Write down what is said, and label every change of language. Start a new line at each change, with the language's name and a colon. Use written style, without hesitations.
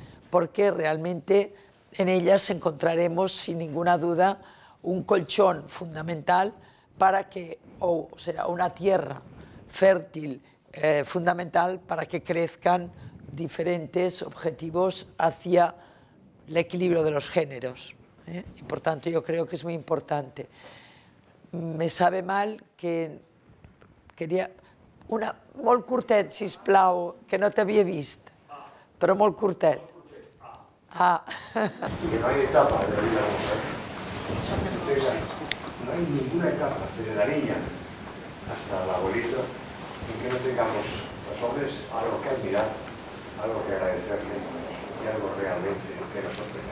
Spanish: Porque realmente en ellas encontraremos sin ninguna duda un colchón fundamental para que, o sea, una tierra fértil fundamental para que crezcan diferentes objetivos hacia el equilibrio de los géneros, ¿eh? Y por tanto yo creo que es muy importante. Me sabe mal que quería una
Catalan: molt curtet, si us plau, que no t'havia vist, però molt curtet. Ah.
Spanish: Sí, que no hay etapa de la vida. No hay ninguna etapa desde la niña hasta la abuelita en que no tengamos los hombres algo que admirar, algo que agradecerle y algo realmente que nos ofrece.